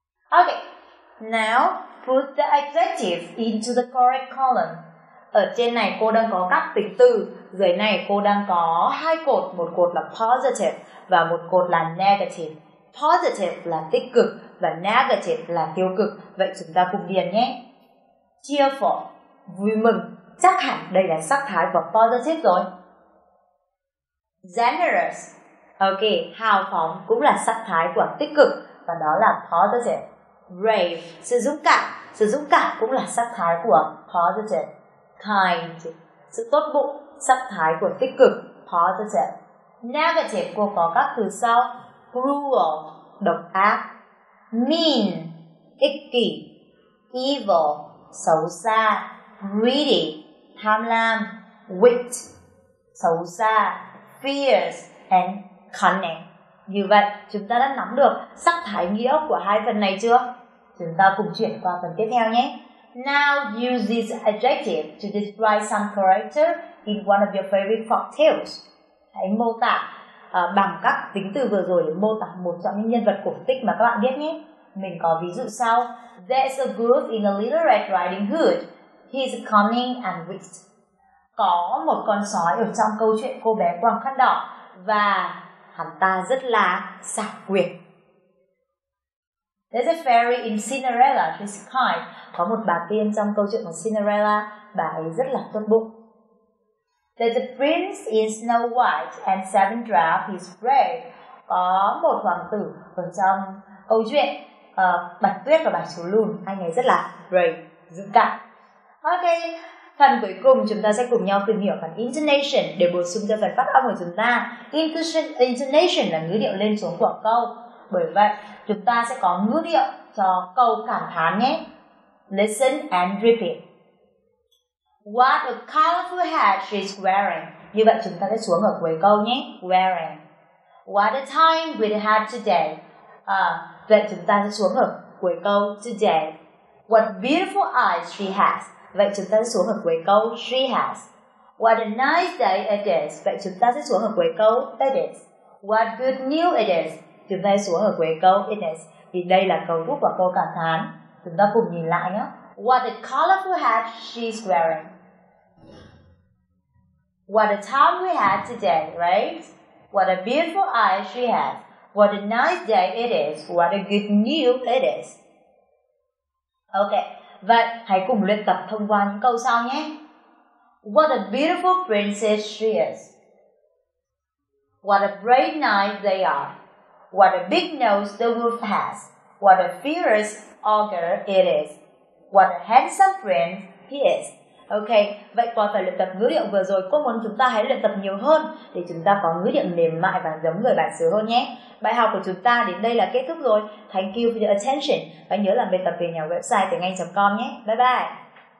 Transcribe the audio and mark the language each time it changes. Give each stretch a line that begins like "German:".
English: Ok, now put the adjective into the correct column.
Vietnamese: Ở trên này cô đang có các tính từ. Dưới này cô đang có hai cột. Một cột là positive và một cột là negative. Positive là tích cực và negative là tiêu cực. Vậy chúng ta cùng điền nhé. Cheerful, vui mừng. Chắc hẳn đây là sắc thái của positive rồi. Generous, ok, hào phóng cũng là sắc thái của tích cực, và đó là positive. Brave, sự dũng cảm cũng là sắc thái của positive. Kind, sự tốt bụng, sắc thái của tích cực, positive. Negative, cô có các từ sau. Cruel, độc ác. Mean, ích kỷ. Evil, xấu xa. Greedy, tham lam. Wit, xấu xa. Fierce and cunning. Như vậy, chúng ta đã nắm được sắc thái nghĩa của hai phần này chưa? Chúng ta cùng chuyển qua phần tiếp theo nhé.
English: Now use this adjective to describe some character in one of your favorite folk tales.
Vietnamese: Hãy mô tả bằng các tính từ vừa rồi để mô tả một trong những nhân vật cổ tích mà các bạn biết nhé. Mình có ví dụ sau.
English: There's a wolf in a Little Red Riding Hood. He's cunning and wit.
Vietnamese: Có một con sói ở trong câu chuyện Cô bé quàng khăn đỏ, và hắn ta rất là xảo quyệt.
English: There's a fairy in Cinderella, she's kind.
Vietnamese: Có một bà tiên trong câu chuyện của Cinderella, bà ấy rất là tốt bụng.
English: There's a prince in Snow White and Seven Dwarfs, he's brave.
Vietnamese: Có một hoàng tử ở trong câu chuyện Bạch Tuyết và Bạch Chú Lùn, anh ấy rất là brave, dũng cảm. Ok, phần cuối cùng chúng ta sẽ cùng nhau tìm hiểu phần intonation để bổ sung cho phần phát âm của chúng ta. Intonation là ngữ điệu lên xuống của câu. Bởi vậy, chúng ta sẽ có ngữ điệu cho câu cảm thán nhé.
English: Listen and repeat. What a colorful hat she's wearing.
Vietnamese: Như vậy chúng ta sẽ xuống ở cuối câu nhé. Wearing.
English: What a time we had today.
Vietnamese: Vậy chúng ta sẽ xuống ở cuối câu today.
English: What beautiful eyes she has.
Vietnamese: Vậy chúng ta sẽ xuống ở cuối câu she has.
English: What a nice day it is.
Vietnamese: Vậy chúng ta sẽ xuống ở cuối câu it is.
English: What good news it is.
Vietnamese: Chúng ta sẽ xuống ở cuối câu it is. Vì đây là cấu trúc của câu cảm thán. Chúng ta cùng nhìn lại nhé.
English: What a colorful hat she's wearing. What a time we had today, right? What a beautiful eyes she has. What a nice day it is. What a good news it is. Okay.
Vietnamese: Vậy hãy cùng luyện tập thông qua những câu sau nhé.
English: What a beautiful princess she is. What a bright knight they are. What a big nose the wolf has. What a fierce ogre it is. What a handsome prince he is.
Vietnamese: Okay, vậy qua phần luyện tập ngữ điệu vừa rồi, cô muốn chúng ta hãy luyện tập nhiều hơn để chúng ta có ngữ điệu mềm mại và giống người bản xứ hơn nhé. Bài học của chúng ta đến đây là kết thúc rồi.
English: Thank you for your attention.
Vietnamese: Và nhớ làm bài tập về nhà website tiếngAnh.com nhé.
English: Bye bye.